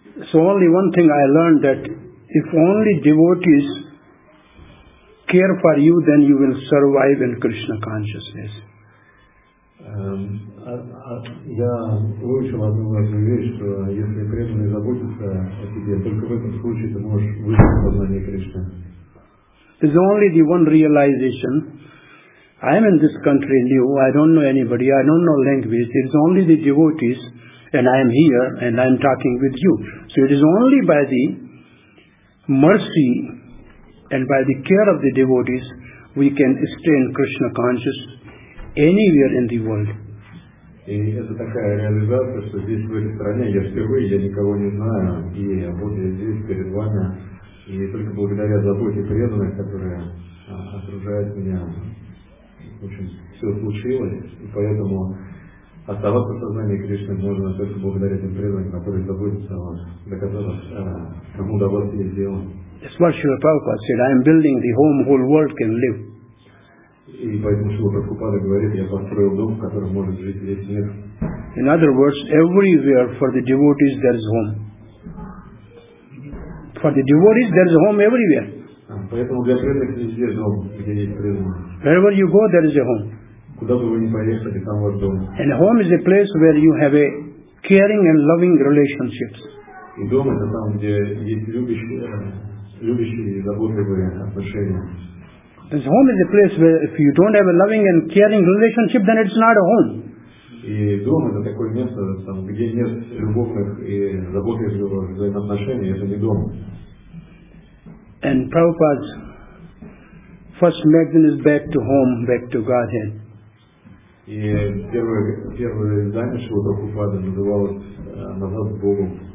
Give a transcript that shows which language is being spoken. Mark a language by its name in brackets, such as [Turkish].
[English] So only one thing I learned, that if only devotees care for you, then you will survive in Krishna consciousness. [Russian] Я выучил одну важную вещь, что если преданные заботятся о тебе, только в этом случае ты можешь выжить в сознании Кришны. [English] There's only the one realization. I am in this country new, I don't know anybody, I don't know language, it is only the devotees, and I am here, and I am talking with you. So it is only by the mercy and by the care of the devotees, we can stay in Krishna conscious anywhere in the world. [Russian] И это такая реализация, что здесь, в этой стране, я впервые, я никого не знаю, и вот я здесь, перед вами, и только благодаря заботе преданных, которые окружают меня, в общем, все случилось, и поэтому оставаться в сознании Кришны можно только благодаря тем преданным, которые заботятся о вас, до которых кому до вас есть дело. [English] That's what Srila Prabhupada said, I am building the home whole world can live. [Russian] И поэтому Шрила Прабхупада говорит, я построил дом, в котором может жить весь мир. [English] In other words, everywhere for the devotees there is home. For the devotees there is home everywhere. [Russian] Поэтому для преданных везде дом, где есть преданные. [English] Wherever you go, there is a home. [Russian] Куда бы вы ни поехали, там ваш дом. [English] And home is a place where you have a caring and loving relationships. [Russian] И дом это там, где есть любящие и заботливые отношения. [English] This home is a place where if you don't have a loving and caring relationship, then it's not a home. [Russian] И дом это такое место, там, где нет любовных и заботливых взаимоотношений, это не дом. [English] And Prabhupada's first magazine is back to home, back to Godhead. [Russian] И первое издание Шрила Прабхупады называлось «Назад к Богу».